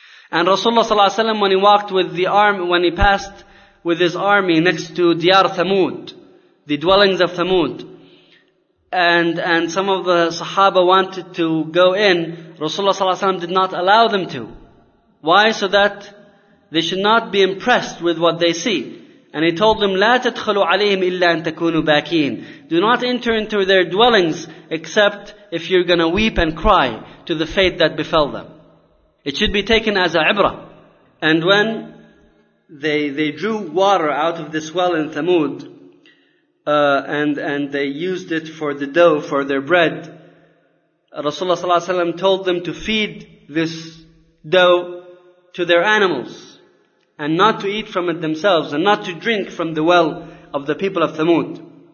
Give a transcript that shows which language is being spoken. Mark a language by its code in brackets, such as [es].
[en] And Rasulullah sallallahu alayhi wa sallam, when he walked with the army, when he passed with his army next to Diyar Thamud, the dwellings of Thamud, and some of the Sahaba wanted to go in, Rasulullah sallallahu alayhi wa sallam did not allow them to. Why? So that they should not be impressed with what they see. [ar] And he told them, لا تدخلوا عليهم إلا أن تكونوا باكين. [en] Do not enter into their dwellings except if you're going to weep and cry to the fate that befell them. It should be taken as a ibrah. And when they drew water out of this well in Thamud, and they used it for the dough, for their bread, Rasulullah صلى الله عليه وسلم told them to feed this dough to their animals, and not to eat from it themselves, and not to drink from the well of the people of Thamud.